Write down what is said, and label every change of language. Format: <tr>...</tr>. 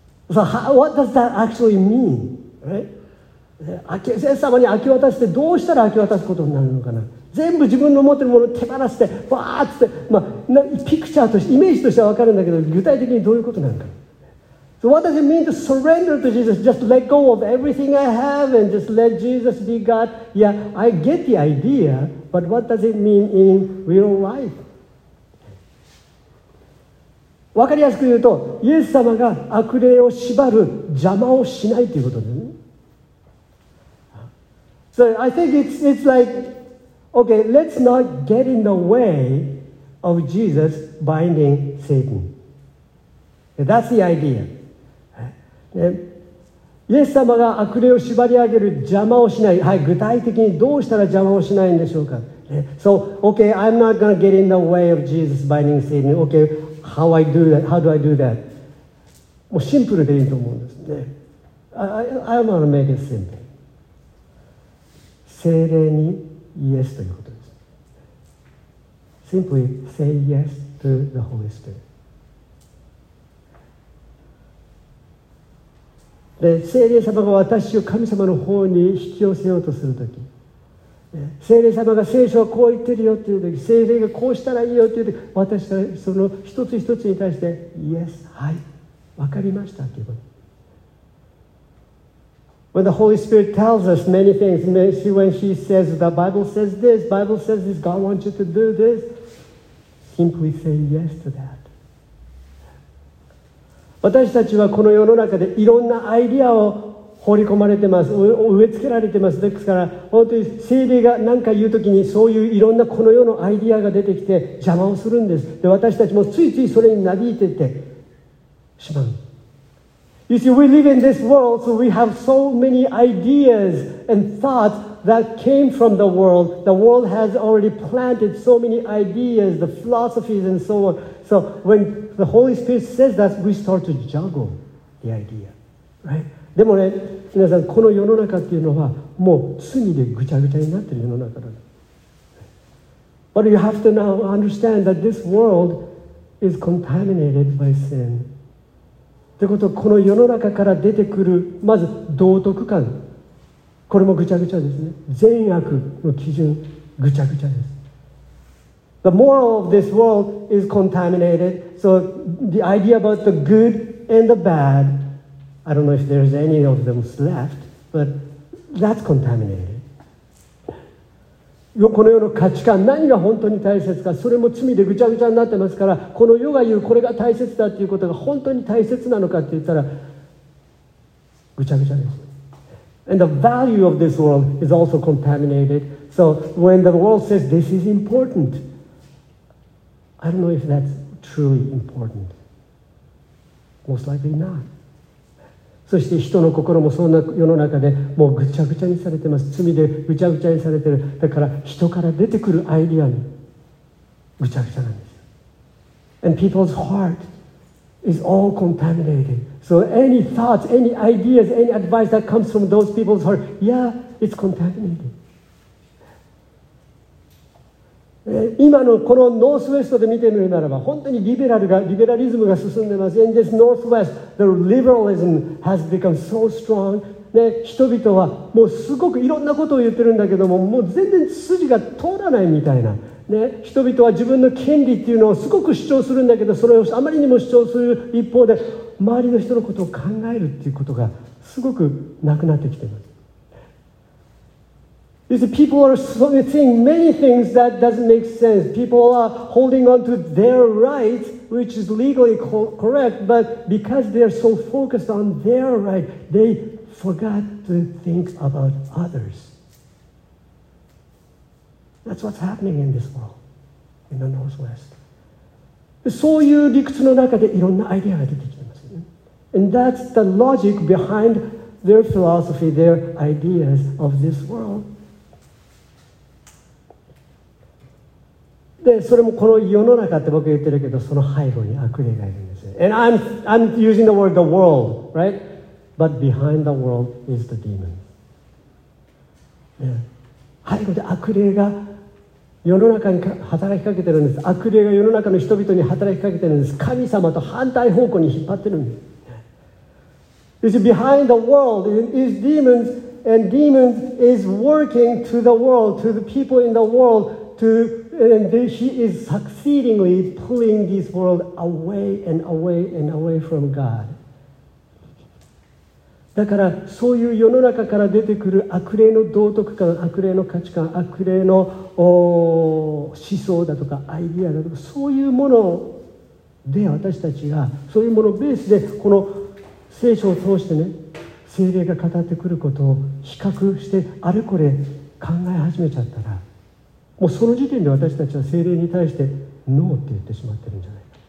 <en>So how, what does that actually mean? Right?</en> <ja>イエス様に明け渡してどうしたら明け渡すことになるのかな。全部自分の持ってるものを手放して、わーっつって、まあ、ピクチャーとして、イメージとしては分かるんだけど、具体的にどういうことなのか。</ja> <en>So what does it mean to surrender to Jesus? Just let go of everything I have and just let Jesus be God? Yeah, I get the idea, but what does it mean in real life?</en> <ja>わかりやすく言うと、イエス様が悪霊を縛る邪魔をしないということですね。</ja> <en>So I think it's like, okay, let's not get in the way of Jesus binding Satan. That's the idea.</en> <ja>ね、イエス様が悪霊を縛り上げる邪魔をしない、はい、具体的にどうしたら邪魔をしないんでしょうか、ね、</ja> <en>So, okay, I'm not going to get in the way of Jesus binding Satan. Okay, how, I do that? How do I do that?</en> <ja>もうシンプルでいいと思うんですね。</ja> <en>I'm going to make it simple.</en> <ja>聖霊にイエスということです。</ja> <en>Simply say yes to the Holy Spirit.</en> <ja>で聖霊様が私を神様の方に引き寄せようとするとき、聖霊様が聖書はこう言ってるよというとき、聖霊がこうしたらいいよというとき、私はその一つ一つに対してイエス、はい、分かりましたということ。</ja> <en>When the Holy Spirit tells us many things, when he says the Bible says this, Bible says this, God wants you to do this, simply say yes to that.</en> <ja>私たちはこの世の中でいろんなアイディアを放り込まれてます、植え付けられてます。ですから本当に聖霊が何か言うときに、そういういろんなこの世のアイディアが出てきて邪魔をするんです。で私たちもついついそれになびいててしまう。</ja> <en>You see, we live in this world, so we have so many ideas and thoughts that came from the world. The world has already planted so many ideas, the philosophies and so on. So whenThe Holy Spirit says that we start to juggle the idea, right?</en> <ja>でもね、皆さん、この世の中っていうのはもう罪でぐちゃぐちゃになってる世の中だ。</ja> <en>But you have to now understand that this world is contaminated by sin.</en> <ja>ってことは、この世の中から出てくるまず道徳観、これもぐちゃぐちゃですね。善悪の基準、ぐちゃぐちゃです。</ja> <en>The moral of this world is contaminated. So the idea about the good and the bad, I don't know if there's any of them left, but that's contaminated.</en> <ja>この世の価値観、何が本当に大切か、それも罪でぐちゃぐちゃになってますから、この世が言うこれが大切だということが本当に大切なのかって言ったら、ぐちゃぐちゃです。</ja> <en>And the value of this world is also contaminated. So when the world says this is important,I don't know if that's truly important. Most likely not.</en> <ja>そして人の心もそんな世の中でもうぐちゃぐちゃにされてます。罪でぐちゃぐちゃにされてる。だから人から出てくるアイディアにぐちゃぐちゃなんです。</ja> <en>And people's heart is all contaminated. So any thoughts, any ideas, any advice that comes from those people's heart, yeah, it's contaminated.</en> <ja>今のこのノースウェストで見てみるならば、本当にリベラリズムが進んでます。</ja> <en>In this Northwest, the liberalism has become so strong.、</en> <ja>ね、人々はもうすごくいろんなことを言ってるんだけども、もう全然筋が通らないみたいな、ね。人々は自分の権利っていうのをすごく主張するんだけど、それをあまりにも主張する一方で、周りの人のことを考えるっていうことがすごくなくなってきてます。</ja> <en>You see, people are saying many things that doesn't make sense. People are holding on to their rights, which is legally correct, but because they're so focused on their right, they forgot to think about others. That's what's happening in this world, in the Northwest.</en> <ja>そういう理屈の中でいろんなアイデアが出てきますね。</ja> <en>And that's the logic behind their philosophy, their ideas of this world.</en> <ja>で、それもこの世の中って僕言ってるけど、その背後に悪霊がいるんですよ。</ja> <en>And I'm using the word the world, right? But behind the world is the demon.、Yeah.</en> <ja>背後で悪霊が世の中に働きかけてるんです。悪霊が世の中の人々に働きかけてるんです。神様と反対方向に引っ張ってるんです。</ja> <en>You see, behind the world is demons, and demons is working to the world, to the people in the world,And she is succeedingly pulling this world away and away and away from God.</en> <ja>だからそういう世の中から出てくる悪霊の道徳観、悪霊の価値観、悪霊の思想だとかアイディアだとか、そういうもので私たちが、そういうものベースでこの聖書を通してね、聖霊が語ってくることを比較してあれこれ考え始めちゃったら、もうその時点で私たちは聖霊に対してノーって言ってしまってるんじゃないか。</ja>